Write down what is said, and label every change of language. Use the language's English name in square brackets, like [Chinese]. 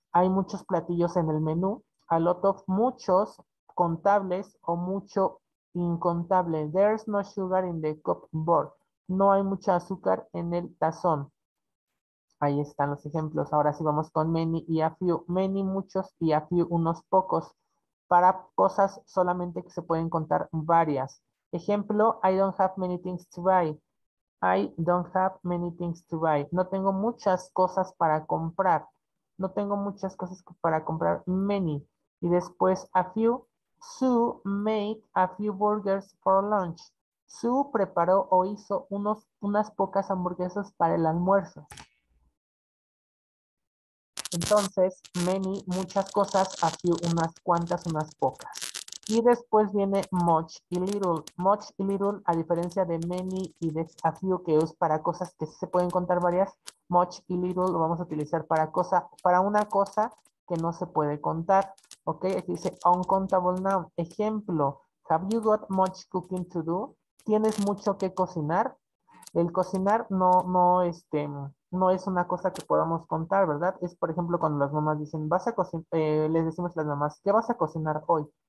[Spanish] Hay muchos platillos en el menú. A lot of muchos contables o mucho incontable. [English] There's no sugar in the cupboard. [Spanish] No hay mucha azúcar en el tazón. Ahí están los ejemplos. Ahora sí vamos con many y a few. Many, muchos y a few, unos pocos. Para cosas solamente que se pueden contar varias. [English] Ejemplo, I don't have many things to buy. I don't have many things to buy. [Spanish] No tengo muchas cosas para comprar. No tengo muchas cosas para comprar. Many. Y después a few. [English] Sue made a few burgers for lunch. [Spanish] Sue preparó o hizo unas pocas hamburguesas para el almuerzo. Entonces, many, muchas cosas, a few, unas cuantas, unas pocas. Y después viene much y little. Much y little, a diferencia de many y de a few, que es para cosas que se pueden contar varias, much y little lo vamos a utilizar para una cosa que no se puede contar. Ok, aquí dice uncountable noun. [English] Ejemplo, have you got much cooking to do? [Spanish] ¿Tienes mucho que cocinar? El cocinar no es una cosa que podamos contar, ¿verdad? Es, por ejemplo, cuando las mamás dicen, vas a cocinar, les decimos a las mamás, ¿qué vas a cocinar hoy?